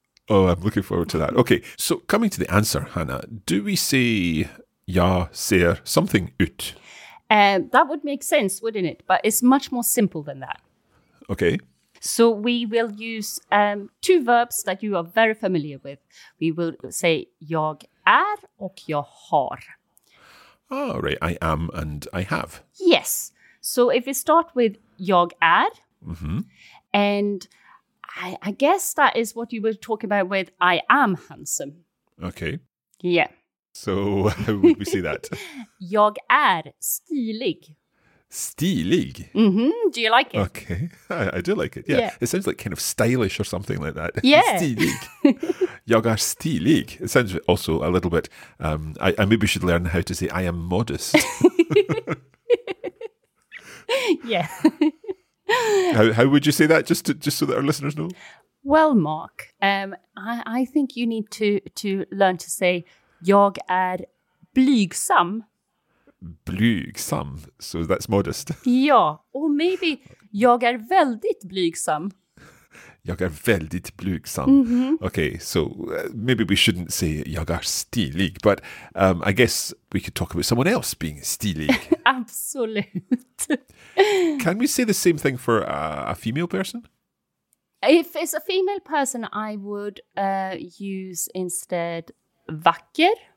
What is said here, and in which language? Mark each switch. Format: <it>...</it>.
<en>Oh, I'm looking forward to that. Okay, so coming to the answer, Hannah, do we say</en> <sv>jag ser</sv> <en>something ut? That would make sense, wouldn't it? But it's much more simple than that. Okay. So we will use two verbs that you are very familiar with. We will say</en> <sv>jag är och jag har.</sv> <en>Oh, right. I am and I have. Yes. So if we start with</en> <sv>jag är,</sv> <en>and I guess that is what you were talking about with I am handsome. Okay. Yeah. So how would we say that?</en> <sv>Jag är stilig. Stilig?</sv> <en>Mm-hmm. Do you like it? Okay. I do like it. Yeah. It sounds like kind of stylish or something like that. Yeah.</en> <sv>Stilig. Jag är stilig.</sv> <en>It sounds also a little bit, I maybe should learn how to say I am modest. Yeah. How would you say that, just so that our listeners know? Well, Mark, I think you need to learn to say</en> <sv>Jag är blygsam.</sv> <en>Blygsam, so that's modest.</en> <sv>Ja,</sv> <en>or maybe</en> <sv>jag är väldigt blygsam. Jag är väldigt blygsam. Mm-hmm.</sv> <en>Okay, so maybe we shouldn't say</en> <sv>jag är stilig,</sv> <en>but I guess we could talk about someone else being stilig.</en> <sv>Absolut.</sv> <en>Can we say the same thing for a female person? If it's a female person, I would use instead vacker.</en>